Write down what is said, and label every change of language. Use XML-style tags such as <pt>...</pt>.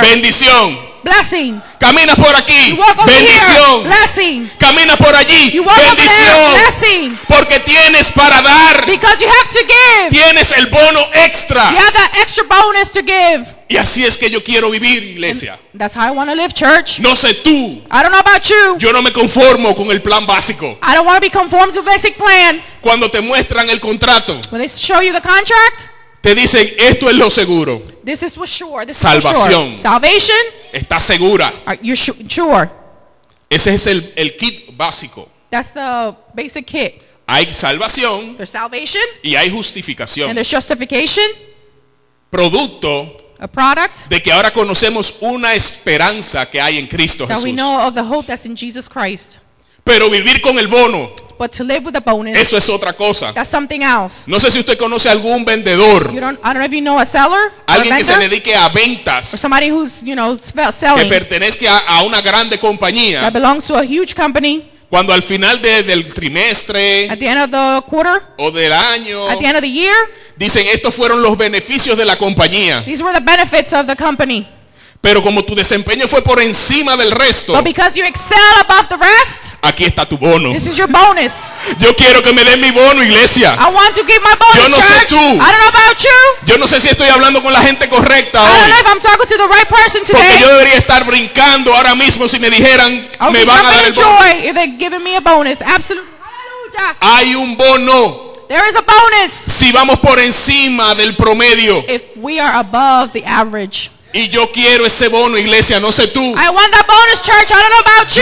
<es>bendición.</es> <en>Blessing.</en> <es>Caminas por aquí,</es> <en>you walk over,</en> <es>bendición.</es> <en>Here, blessing.</en> <es>Caminas por allí,</es> <en>you walk,</en> <es>bendición.</es> <en>There, blessing.</en> <es>Porque tienes para dar.</es> <en>Because you have to give.</en> <es>Tienes el bono extra.</es> <en>You have that extra bonus to give.</en> <es>Y así es que yo quiero vivir, iglesia.</es> <en>And that's how I want to live, church.</en> <es>No sé tú.</es> <en>I don't know about you.</en> <es>Yo no me conformo con el plan básico.</es> <en>I don't want to be conformed to basic plan.</en> <es>Cuando te muestran el contrato,</es> <en>when they show you the contract,</en> <es>te dicen esto es lo seguro.</es> <en>This is for sure. This</en> <es>salvación.</es> <en>Is for sure. Salvation.</en> <es>¿Estás segura?</es> <en>Are you sure?</en> <es>Ese es el kit básico.</es> <en>That's the basic kit.</en> <es>Hay salvación.</es> <en>There's salvation.</en> <es>Y hay justificación.</es> <en>And there's justification.</en> <es>Producto.</es> <en>A product.</en> <es>De que ahora conocemos una esperanza que hay en Cristo</es> <en>that</en> <es>Jesús.</es> <en>That we know of the hope that's in Jesus Christ.</en> <es>Pero vivir con el bono.</es> <en>But to live with a bonus.</en> <es>Eso es otra cosa.</es> <en>That's something else.</en> <es>No sé si usted conoce algún vendedor.</es> <en>You don't, I don't know if you know a seller.</en> <es>Alguien</es> <en>a</en> <es>que se dedique a ventas.</es> <en>Or somebody who's, you know, selling.</en> <es>Que pertenezca a una grande compañía.</es> <en>That belongs to a huge company.</en> <es>Cuando al final del trimestre.</es> <en>At the end of the quarter.</en> <es>O del año.</es> <en>At the end of the year.</en> <es>Dicen estos fueron los beneficios de la compañía.</es> <en>These were the benefits of the company.</en> <es>Pero como tu desempeño fue por encima del resto,</es> <en>but because you excel above the rest,</en> <es>aquí está tu bono.</es> <en>This is your bonus.</en> <es>Yo quiero que me den mi bono, iglesia.</es> <en>I want to give my bonus,</en> <es>yo no sé</es> <en>church.</en> <es>Tú.</es> <en>I don't know about you.</en> <es>Yo no sé si estoy hablando con la gente correcta</es> <en>I</en> <es>hoy.</es> <en>I don't know if I'm talking to the right person today.</en> <es>Porque yo debería estar brincando ahora mismo si me dijeran</es> <en>I'll</en> <es>me van a dar el bono.</es> <en>Joy if they're giving me a bonus. Absolutely. Hallelujah.</en> <es>Hay un bono.</es> <en>There is a bonus.</en> <es>Si vamos por encima del promedio.</es> <en>If we are above the average.</en> <es>Y yo quiero ese bono, iglesia, no sé tú.</es> <en>I want that bonus, church. I don't know about you.</en>